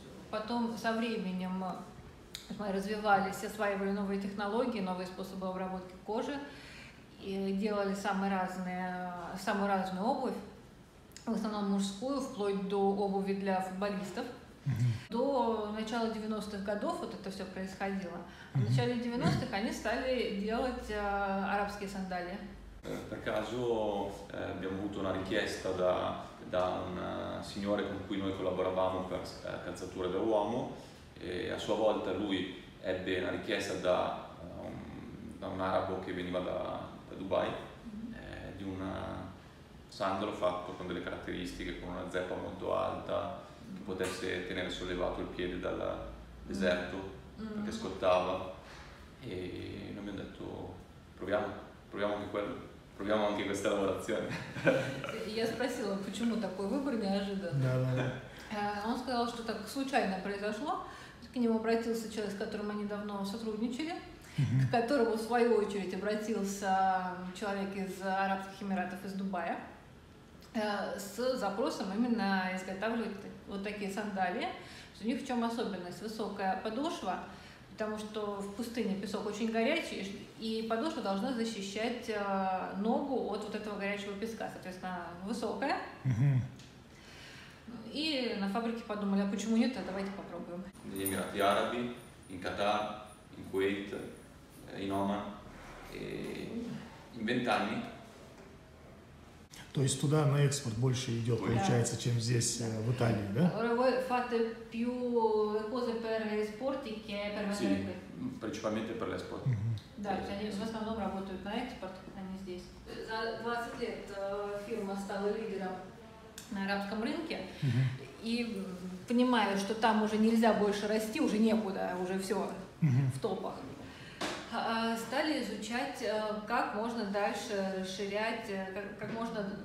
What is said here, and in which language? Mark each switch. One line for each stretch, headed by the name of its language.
Russian: Потом со временем мы развивали, осваивали новые технологии, новые способы обработки кожи и делали самую разную обувь, в основном мужскую, вплоть до обуви для футболистов. До начала 90-х годов вот это все происходило. В начале 90-х они стали делать арабские сандалии.
Italian: Per caso abbiamo avuto una richiesta da un signore con cui noi collaboravamo per calzature da uomo e a sua volta lui ebbe una richiesta da un arabo che veniva da Dubai di un sandalo fatto con delle caratteristiche, con una zeppa molto alta che potesse tenere sollevato il piede deserto, perché ascoltava, e noi abbiamo detto proviamo, proviamo anche quello, proviamo anche questa lavorazione.
Russian: Я спросила, почему такой выбор неожиданный. Он сказал, что так случайно произошло. К нему обратился человек, с которым они давно сотрудничали, к которому, в свою очередь, обратился человек из Арабских Эмиратов, из Дубая, с запросом именно изготавливать вот такие сандалии. У них в чем особенность? Высокая подошва, потому что в пустыне песок очень горячий, и подошва должна защищать ногу от вот этого горячего песка. Соответственно, высокая. И на фабрике подумали, а почему нет, а давайте попробуем. В Эмираты Араби, в Катар, в Куэйт, в Оман, в 20 лет. То есть туда на экспорт больше идет, получается, чем здесь, в Италии, да?
Italian: Fate più cose per esporti che per vendere. Principalmente per l'esport.
Russian: Да, они в основном работают на экспорт, а не здесь. За 20 лет фирма стала лидером на арабском рынке, и понимая, что там уже нельзя больше расти, уже некуда, уже все в топах, стали изучать, как можно дальше расширять, как можно